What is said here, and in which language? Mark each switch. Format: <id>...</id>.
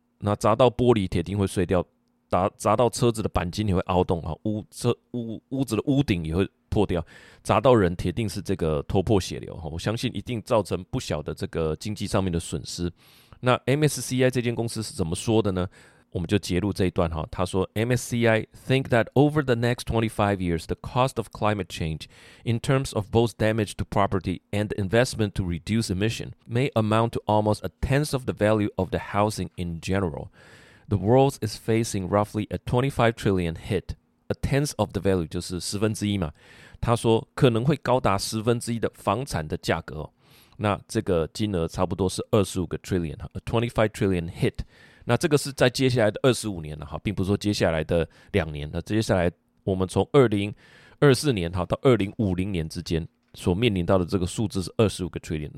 <zh>那砸到玻璃铁钉会碎掉，砸到车子的钣金也会凹洞， 屋子的屋顶也会破掉，砸到人铁定是这个头破血流，我相信一定造成不小的这个经济上面的损失。那 MSCI 这间公司是怎么说的呢？我们就截录这一段哈，他说</zh> <en>MSCI think that over the next 25 years, the cost of climate change in terms of both damage to property and investment to reduce emission may amount to almost a tenth of the value of the housing in general. The world is facing roughly a 25 trillion hit.</en> <zh>A tenth of the value 就是十分之一嘛，他说可能会高达十分之一的房产的价格，那这个金额差不多是25个 trillion,</zh> <en>a 25 trillion hit。</en> <zh>那这个是在接下来的25年了哈，并不是说接下来的2年。那接下来我们从2024年哈到2050年之间所面临到的这个数字是25个 trillion。</zh>